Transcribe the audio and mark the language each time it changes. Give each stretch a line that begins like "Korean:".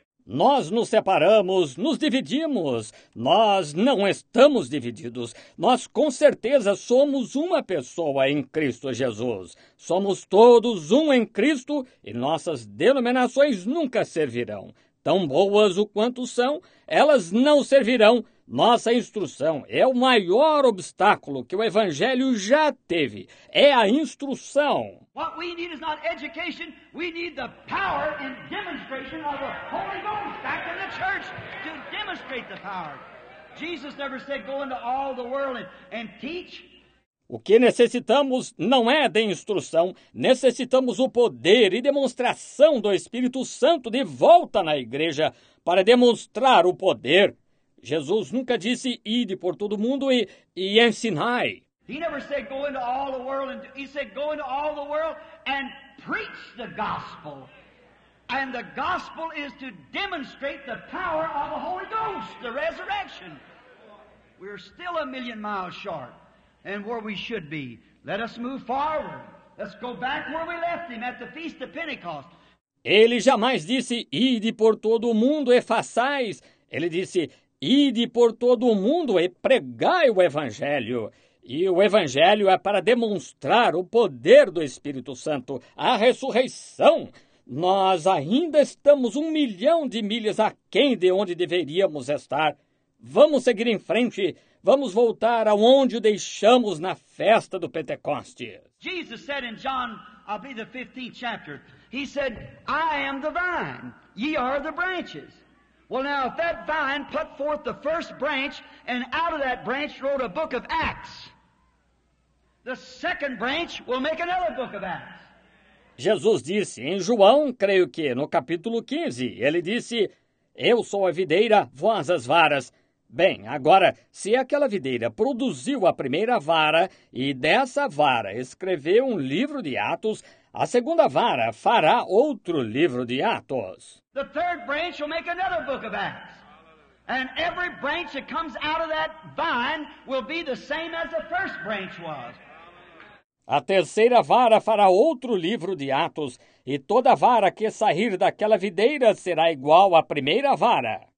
Portuguese: Nós nos separamos, nos dividimos. Nós não estamos divididos. Nós com certeza somos uma pessoa em Cristo Jesus. Somos todos um em Cristo e nossas denominações nunca servirão. Tão boas o quanto são, elas não servirão. Nossa instrução é o maior obstáculo que o Evangelho já teve. É a instrução.
English: What we need is not education, we need the power and demonstration of the Holy Ghost back in the church to demonstrate the power. Jesus never said go into all the world and teach.
Portuguese: O que necessitamos não é de instrução, necessitamos o poder e demonstração do Espírito Santo de volta na igreja para demonstrar o poder. Jesus nunca disse, ide por todo mundo e ensinai.
English: He never said go into all the world, and he said go into all the world and preach the gospel. And the gospel is to demonstrate the power of the Holy Ghost, the resurrection. We're still a million miles short. And where we should be. Let us move forward. Let's go back where we left him at the Feast of Pentecost.
Portuguese: Ele jamais disse, ide por todo o mundo e façais. Ele disse, ide por todo o mundo e pregai o Evangelho. E o Evangelho é para demonstrar o poder do Espírito Santo, a ressurreição. Nós ainda estamos 1 milhão de milhas aquém de onde deveríamos estar. Vamos seguir em frente. Vamos voltar aonde o deixamos na festa do Pentecostes.
English: Jesus said in John, I'll be the 15th chapter, he said, I am the vine, ye are the branches. Well now, if that vine put forth the first branch, and out of that branch wrote a book of Acts, the second branch will make another book of Acts.
Portuguese: Jesus disse em João, creio que no capítulo 15, ele disse, eu sou a videira, vós as varas. Bem, agora, se aquela videira produziu a primeira vara e dessa vara escreveu um livro de Atos, a segunda vara fará outro livro de Atos.
English: The third branch will make another book of Acts. And every branch that comes out of that vine will be the same as the first branch was.
Portuguese: A terceira vara fará outro livro de Atos, e toda vara que sair daquela videira será igual à primeira vara.